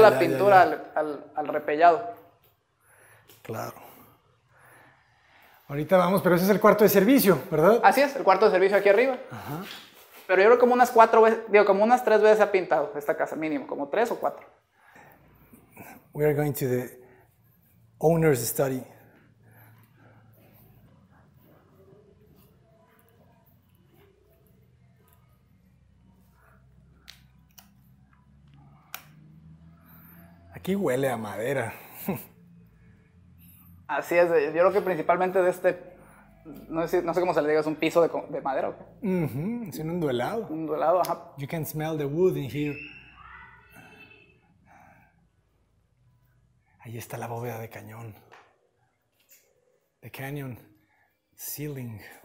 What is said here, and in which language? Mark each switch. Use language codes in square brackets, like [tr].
[es] la pintura al repellado. claro. Ahorita vamos, pero ese es el cuarto de servicio, ¿verdad? Así es, el cuarto de servicio aquí arriba. Ajá. Pero yo creo que como unas 4 veces, digo, como unas 3 veces se ha pintado esta casa, mínimo, como 3 o 4. [en] We are going to the owner's [es] Aquí huele a madera. Así es, yo creo que principalmente de este, no sé cómo se le diga, es un piso de madera o qué. Es en un duelado. Un dorado, ajá. [en] You can smell the wood in here. [es] Ahí está la bóveda de cañón. [en] The canyon ceiling.